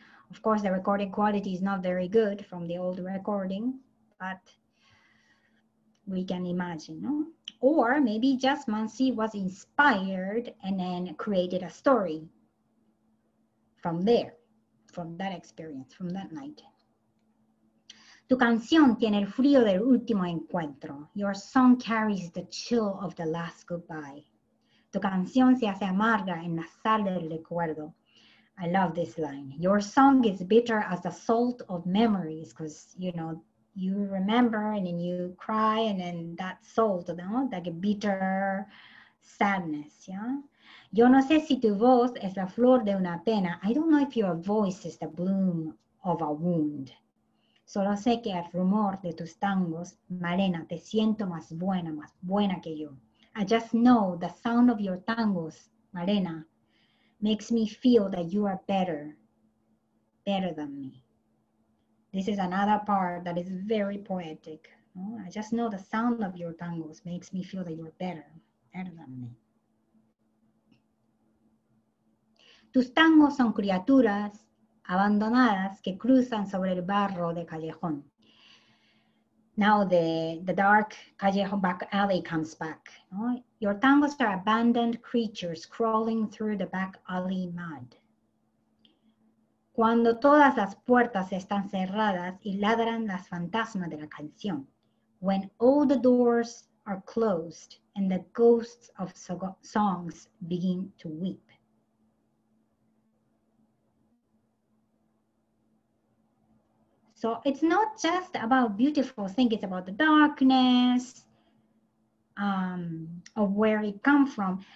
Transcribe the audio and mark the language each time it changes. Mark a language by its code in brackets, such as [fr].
[en] Of course, the recording quality is not very good from the old recording, but we can imagine, no? Or maybe just Mansi was inspired and then created a story from there, from that experience, from that night. [es] Tu canción tiene el frío del último encuentro. [en] Your song carries the chill of the last goodbye. [es] Tu canción se hace amarga en la sal del recuerdo. [en] I love this line. Your song is bitter as the salt of memories, because, you know, you remember and then you cry and then that salt, no? Like a bitter sadness, yeah? [es] Yo no sé si tu voz es la flor de una pena. [en] I don't know if your voice is the bloom of a wound. [es] Solo sé que al rumor de tus tangos, Malena, te siento más buena que yo. [en] I just know the sound of your tangos, Malena, makes me feel that you are better, better than me. This is another part that is very poetic. No? I just know the sound of your tangos makes me feel that you're better, better than me. [es] Tus tangos son criaturas abandonadas que cruzan sobre el barro de callejón. [en] Now the dark callejón back alley comes back. No? Your tangos are abandoned creatures crawling through the back alley mud. [es] Cuando todas las puertas están cerradas y ladran las fantasmas de la canción. [en] When all the doors are closed and the ghosts of songs begin to weep. So it's not just about beautiful thing, it's about the darkness of where it comes from.